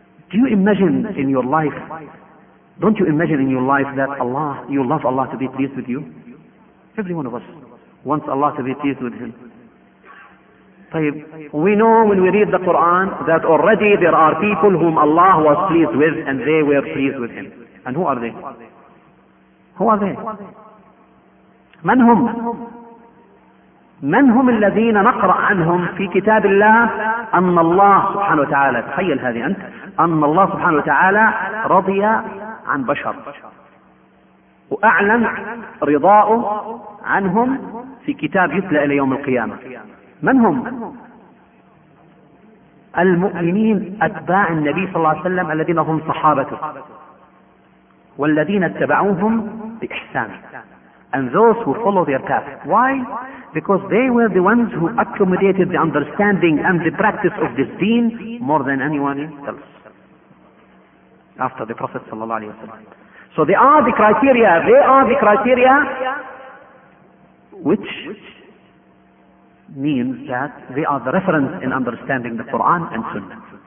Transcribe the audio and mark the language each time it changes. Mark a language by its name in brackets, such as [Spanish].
[English] Do you imagine in your life, don't you imagine in your life that Allah, you love Allah to be pleased with you? Every one of us wants Allah to be pleased with him. We know when we read the Quran that already there are people whom Allah was pleased with and they were pleased with him. And who are they? Who are they? [Arabic] من هم؟ من هم الذين نقرأ عنهم في كتاب الله أن الله سبحانه وتعالى تخيل هذه أنت أن الله سبحانه وتعالى رضي عن بشر وأعلن رضاؤه عنهم في كتاب يتلى إلى يوم القيامة. من هم؟ المؤمنين أتباع النبي صلى الله عليه وسلم الذين هم صحابته والذين اتبعوهم بإحسان. [English] And those who follow their path. Why? Because they were the ones who accommodated the understanding and the practice of this deen more than anyone else after the Prophet [Arabic] صلى الله عليه وسلم. [English] So they are the criteria, they are the criteria which means that they are the reference in understanding the Quran and Sunnah.